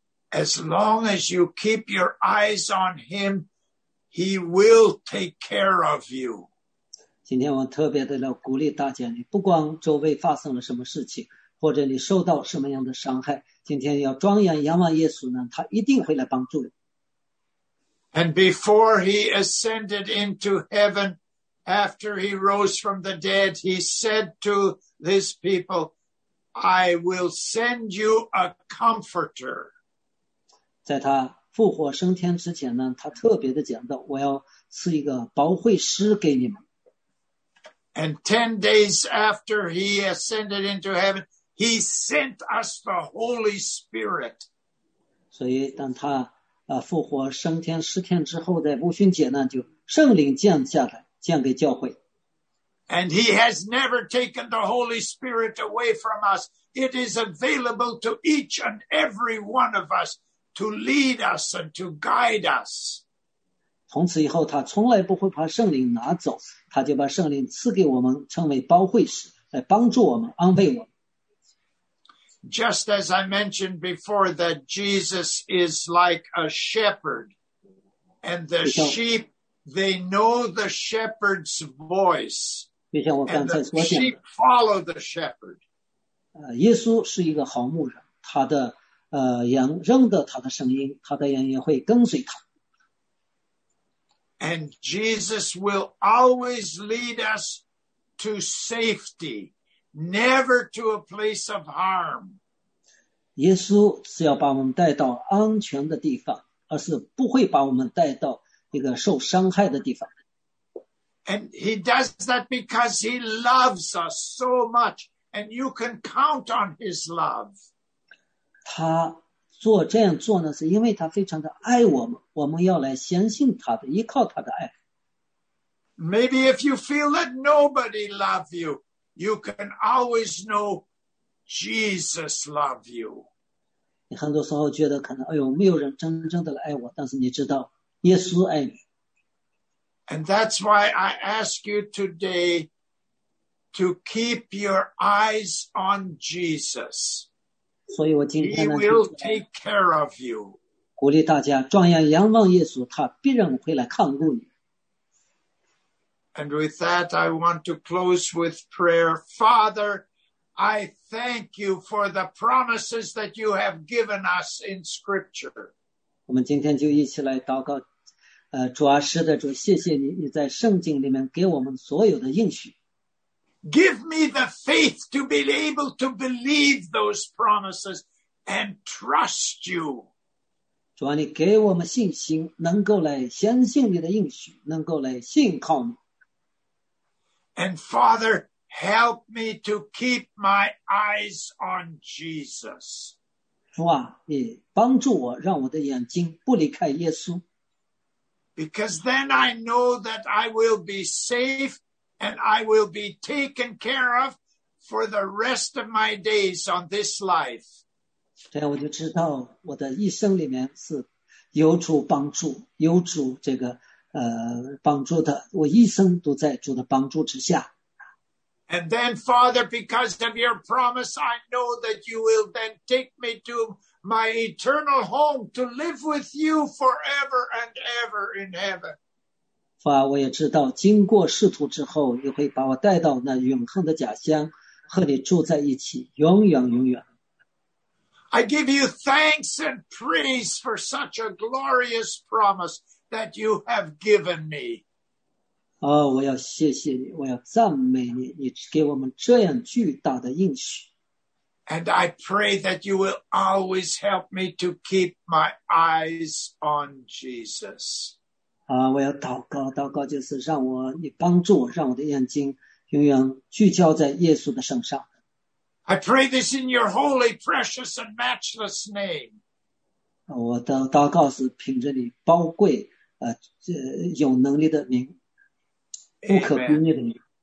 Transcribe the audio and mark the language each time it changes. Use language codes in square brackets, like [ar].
[en] As long as you keep your eyes on him, he will take care of you. [zh] 今天我特别的来鼓励大家，你不光周围发生了什么事情，或者你受到什么样的伤害，今天要庄严仰望耶稣呢，他一定会来帮助你。 [en] And before he ascended into heaven, after he rose from the dead, he said to this people, I will send you a comforter. [zh] 在他复活升天之前呢，他特别的讲到，我要赐一个保惠师给你们。 [en] And 10 days after he ascended into heaven,He sent us the Holy Spirit. [zh] 所以当他复活升天十天之后，在五旬节呢，就圣灵降下来，降给教会。 [en] And he has never taken the Holy Spirit away from us. It is available to each and every one of us to lead us and to guide us. [zh] 从此以后，他从来不会把圣灵拿走，他就把圣灵赐给我们，称为保惠师，来帮助我们，安慰我们。 [en] Just as I mentioned before, that Jesus is like a shepherd. And the sheep, they know the shepherd's voice. And the sheep follow the shepherd. [zh] 耶稣是一个好牧人，他的羊认得他的声音，他的羊也会跟随他。 [en] And Jesus will always lead us to safety, never to a place of harm. [zh] 耶稣是要把我们带到安全的地方，而是不会把我们带到一个受伤害的地方。 [en] And he does that because he loves us so much, and you can count on his love. [zh] 他做这样做呢，是因为他非常的爱我们，我们要来相信他的，依靠他的爱。 [en] Maybe if you feel that nobody loves you, you can always knowJesus love you. [zh] 你很多时候觉得可能，哎呦，没有人真正的来爱我，但是你知道，耶稣爱你。 [en] And that's why I ask you today to keep your eyes on Jesus. [zh] 所以我今天呢， [en] He will take care of you. [zh] 鼓励大家，庄严仰望耶稣，他必然会来看顾你。 [en] And with that, I want to close with prayer. Father,I thank you for the promises that you have given us in Scripture. [zh] 我们今天就一起来祷告，主啊，是的，主，谢谢你，你在圣经里面给我们所有的应许。 [en] Give me the faith to be able to believe those promises and trust you. [zh] 主啊，你给我们信心，能够来相信你的应许，能够来信靠你。 [en] And Father,Help me to keep my eyes on Jesus. [zh] 主啊，你帮助我，让我的眼睛不离开耶稣。 [en] Because then I know that I will be safe and I will be taken care of for the rest of my days on this life. [zh] 这样我就知道我的一生里面是有主帮助，有主这个帮助的，我一生都在主的帮助之下。 [en] And then, Father, because of your promise, I know that you will then take me to my eternal home to live with you forever and ever in heaven. [zh] 父啊，我也知道，经过仕途之后，你会把我带到那永恒的家乡，和你住在一起，永远永远。 [en] I give you thanks and praise for such a glorious promise that you have given me. [zh] 哦，我要谢谢你，我要赞美你，你给我们这样巨大的应许。 [en] And I pray that you will always help me to keep my eyes on Jesus. [zh] 啊，我要祷告，祷告就是让我，你帮助我，让我的眼睛永远聚焦在耶稣的身上。 [en] I pray this in your holy, precious, and matchless name. [zh] 我的祷告是凭着你宝贵、有能力的名，不可比拟的名。